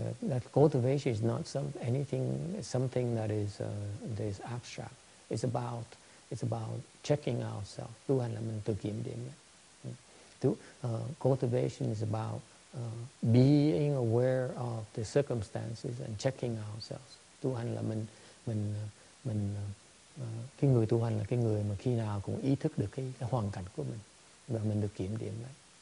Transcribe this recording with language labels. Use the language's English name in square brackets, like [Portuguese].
[English] That cultivation is not something that is abstract. It's about checking ourselves. [Vietnamese] Tu hành là mình tự kiểm điểm. [English] Cultivation is about being aware of the circumstances and checking ourselves. [Vietnamese] Tu hành là mình cái người tu hành là cái người mà khi nào cũng ý thức được cái hoàn cảnh của mình và mình được kiểm điểm lại.